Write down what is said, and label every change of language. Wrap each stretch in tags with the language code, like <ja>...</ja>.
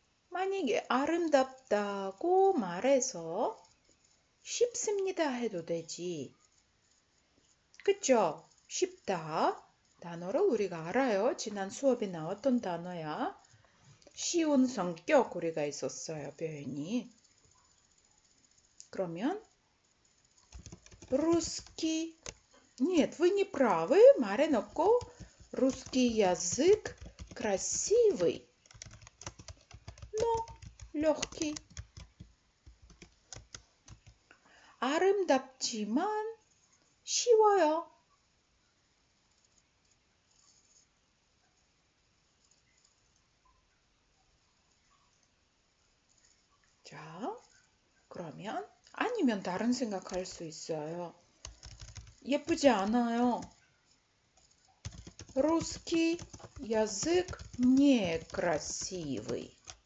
<ko>만약에 아름답다고 말해서 쉽습니다 해도 되지. 그쵸? 쉽다. 단어를 우리가 알아요. 지난 수업에 나왔던 단어야. 쉬운 성격 우리가 있었어요. 표현이. 그러면 русский.</ko> <ru>Нет, вы не правы.</ru> <ko>말해놓고</ko> <ru>русский язык красивый. Но легкий.</ru> <ko>아름답지만 쉬워요. 그러면 아니면 다른 생각할 수 있어요. 예쁘지 않아요.</ko> <ru>Русский язык не красивый.</ru>